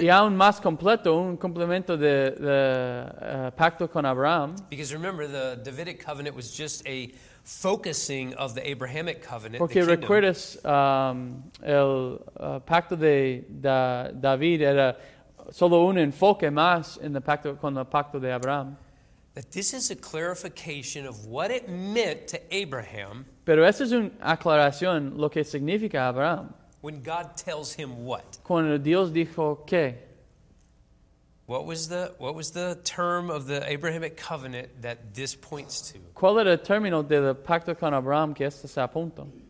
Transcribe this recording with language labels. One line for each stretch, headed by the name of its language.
Spanish: Y aún más completo, un cumplimiento de pacto con Abraham.
English: Because remember, the Davidic covenant was just a focusing of the Abrahamic covenant.
Spanish: Porque recuerdas, el pacto de David era solo un enfoque más en el pacto con el pacto de Abraham.
English: That this is a clarification of what it meant to Abraham.
Spanish: Pero esta es una aclaración lo que significa Abraham.
English: When God tells him what?
Spanish: Cuando Dios dijo qué.
English: What was the term of the Abrahamic covenant that this points to?
Spanish: ¿Cuál era el término del pacto con Abraham que esto se apunta?